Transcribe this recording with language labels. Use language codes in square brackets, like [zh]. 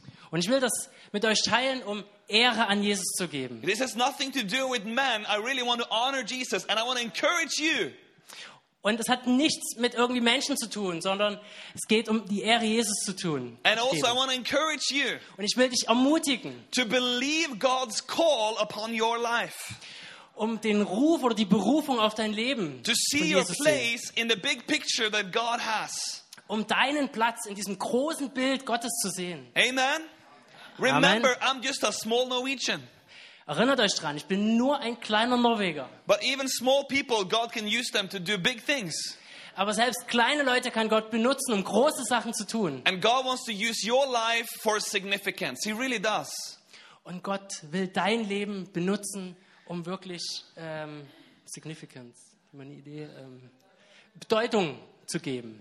[de] Und ich will das mit euch teilen, um Ehre an Jesus zu geben. [en] This has nothing to do with men. I really want to honor Jesus and I want to encourage you. [de] Und es hat nichts mit irgendwie Menschen zu tun, sondern es geht um die Ehre, Jesus zu tun. [en] And also I want to encourage you. [de] Und ich will dich ermutigen. [en] To believe God's call upon your life. [de] Um den Ruf oder die Berufung auf dein Leben. [en] To see your place in the big picture that God has. [de] Um deinen Platz in diesem großen Bild Gottes zu sehen. Amen. [en] Remember, I'm just a small Norwegian. [de] Erinnert euch dran, ich bin nur ein kleiner Norweger. [en] But even small people, God can use them to do big things. [de] Aber selbst kleine Leute kann Gott benutzen, um große Sachen zu tun. [en] And God wants to use your life for significance. He really does. [de] Und Gott will dein Leben benutzen, um wirklich Significance, meine Idee, Bedeutung zu geben.